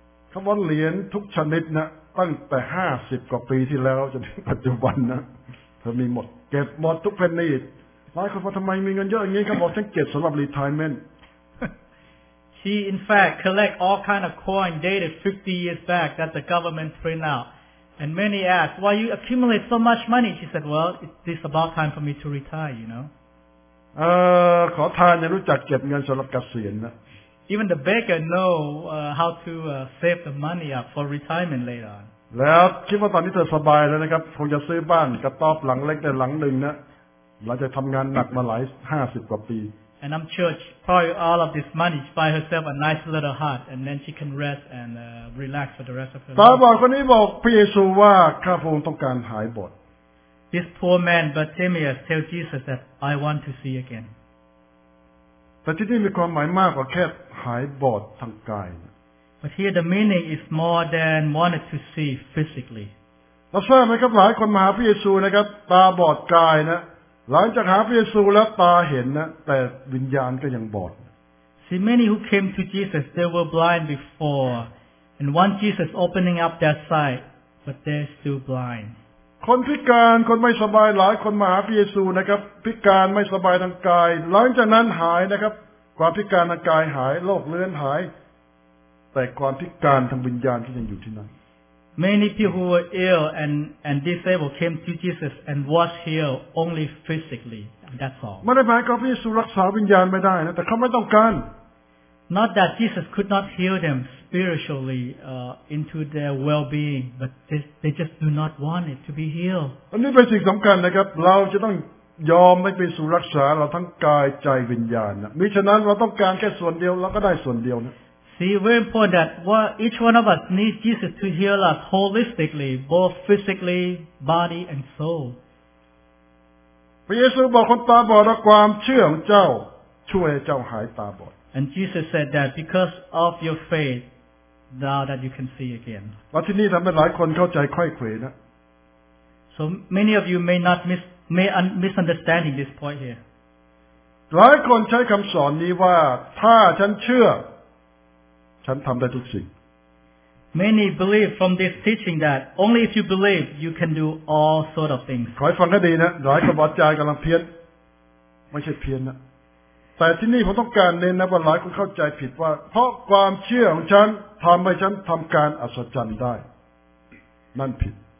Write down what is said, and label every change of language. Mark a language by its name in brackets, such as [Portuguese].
[Thai] เขาบอกเหรียญทุกชนิดนะตั้งแต่50กว่าปีที่แล้วจนถึงปัจจุบันนะเธอมีหมดเก็บหมดทุกเพนนีหลายคนว่าทำไมมีเงินเยอะอย่างนี้ครับบอกฉันเก็บสำหรับ retirement [English] She in fact collect all kind of coin dated 50 years back that the government print out and many ask why you accumulate so much money she said well it is about time for me to retire you know [Thai] ขอทานยังรู้จักเก็บเงินสำหรับเกษียณนะ [English] Even the beggar know how to save the money up for retirement later on [Thai] แล้วคิดว่าตอนนี้เธอสบายแล้วนะครับคงจะซื้อบ้านกระต๊อบหลังเล็กแต่หลังหนึ่งนะหลังจากทำงานหนักมาหลาย50กว่าปี [English] And I'm sure she probably all of this money she buy herself a nice little hut and then she can rest and relax for the rest of her life [Thai] ตาบอดคนนี้บอกพระเยซูว่าข้าพระองค์ต้องการหายบอด [English] This poor man Bartimaeus tell Jesus that I want to see again [Thai] แต่ที่นี่มีความหมายมากกว่าแค่หายบอดทางกาย [English] But here the meaning is more than wanted to see physically. [Thai] เราทราบไหมครับหลายคนมาหาพระเยซูนะครับตาบอดกายนะหลังจากหาพระเยซูแล้วตาเห็นนะแต่วิญญาณก็ยังบอด [English] See many who came to Jesus they were blind before and want Jesus opening up their sight but they're still blind. [Thai] คนพิการคนไม่สบายหลายคนมาหาพระเยซูนะครับพิการไม่สบายทางกายหลังจากนั้นหายนะครับความพิการทางกายหายโรคเรื้อนหายแต่ความพิการทางวิญญาณที่ยังอยู่ที่นั่น [English] Many people who were ill and disabled came to Jesus and was healed only physically. That's all. [Thai] ไม่ได้หมายความว่าพระเยซูรักษาวิญญาณไม่ได้นะแต่เขาไม่ต้องการ [English] Not that Jesus could not heal them spiritually into their well-being, but they just do not want it to be healed. [Thai] อันนี้เป็นสิ่งสำคัญนะครับเราจะต้องยอมให้พระเยซูรักษาเราทั้งกายใจวิญญาณนะมิฉะนั้นเราต้องการแค่ส่วนเดียวเราก็ได้ส่วนเดียวนะ [English] See, very important that what each one of us needs Jesus to heal us holistically, both physically, body, and soul. [Thai] พระเยซูบอกคนตาบอดว่าความเชื่อของเจ้าช่วยเจ้าหายตาบอด [English] And Jesus said that because of your faith, now that you can see again. [Thai] และที่นี่ทำให้หลายคนเข้าใจไขว้เขวนะ [English] So many of you may not misunderstanding this point here. [Thai] หลายคนใช้คำสอนนี้ว่าถ้าฉันเชื่อฉันทำได้ทุกสิ่ง [English] Many believe from this teaching that only if you believe you can do all sort of things [Thai] ขอให้ฟังให้ดีนะหลายคนบอกใจกำลังเพี้ยนไม่ใช่เพี้ยนนะแต่ที่นี่ผมต้องการเน้นนะว่าหลายคนเข้าใจผิดว่าเพราะความเชื่อของฉันทำให้ฉันทำการอัศจรรย์ได้นั่นผิด